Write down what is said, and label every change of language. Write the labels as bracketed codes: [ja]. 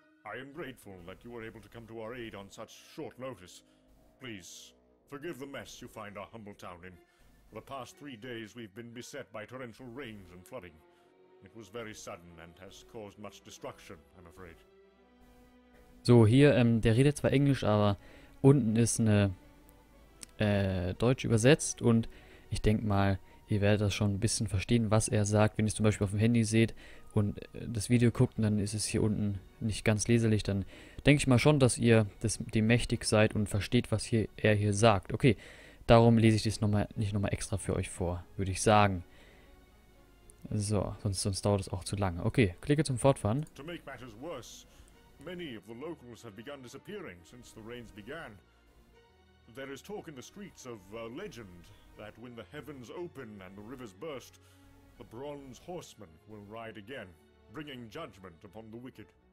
[en] I am grateful that you were able to come to our aid on such short notice. Please, forgive the mess you find our humble town in. For the past 3 days we've been beset by torrential rains and flooding. It was very sudden and has caused much destruction, I'm afraid. [de] So, hier, der redet zwar Englisch, aber unten ist eine Deutsch übersetzt und ich denke mal, ihr werdet das schon ein bisschen verstehen, was er sagt, wenn ihr es zum Beispiel auf dem Handy seht und das Video guckt und dann ist es hier unten nicht ganz leserlich, dann denke ich mal schon, dass ihr dem mächtig seid und versteht, was er hier sagt. Okay, darum lese ich das nicht nochmal extra für euch vor, würde ich sagen. So, sonst dauert es auch zu lange. Okay, klicke zum Fortfahren. [en] To make matters worse, many of the locals have begun disappearing since the rains began. There is talk in the streets of a legend that when the heavens open and the rivers burst, the bronze horseman will ride again, bringing judgment upon the wicked.